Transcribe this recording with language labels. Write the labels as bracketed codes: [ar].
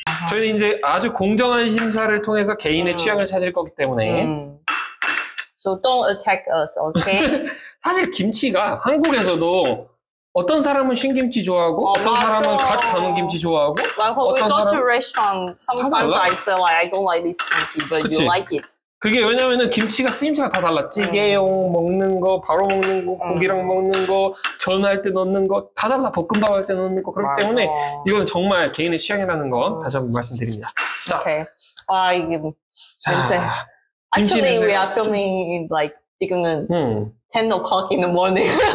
[ko] 저희는 이제 아주 공정한 심사를 통해서 개인의 취향을 찾을 거기 때문에. [en] So don't attack us, okay? [ko] 사실 김치가 한국에서도 어떤 사람은 신김치 좋아하고 어떤 맞아. 사람은 갓 담은 김치 좋아하고 [en] like when we go to restaurant sometimes I say like I don't like this kimchi but [ko] 그치? [en] you like it. [ko] 그게 왜냐면은 김치가 쓰임새가 다 달라. 찌개용 먹는 거, 바로 먹는 거, 고기랑 먹는 거, 전할 때 넣는 거 다 달라. 볶음밥 할 때 넣는 거 그렇기 맞아. 때문에 이건 정말 개인의 취향이라는 거 다시 한번 말씀드립니다. 자. Okay. 아, 이게 냄새. [en] Actually, we are filming in like [ko] 지금은 [en] 10 o'clock in the morning.